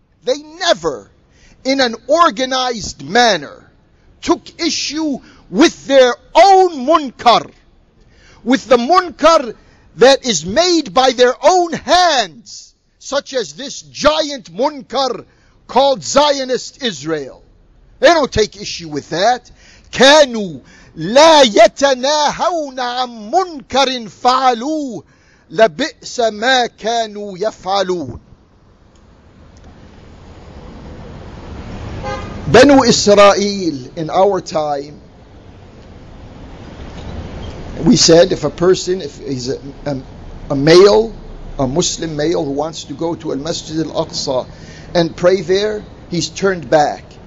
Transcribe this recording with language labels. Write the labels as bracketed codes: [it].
[en] They never, in an organized manner, took issue with their own munkar, with the munkar that is made by their own hands, such as this giant munkar called Zionist Israel. They don't take issue with that. [ar] كانوا لا يتناهون عن منكر فعلوه لبئس ما كانوا يفعلون. [en] بنو إسرائيل, in our time, we said if a person, if he's a male, a Muslim male who wants to go to Al-Masjid Al-Aqsa and pray there, he's turned back.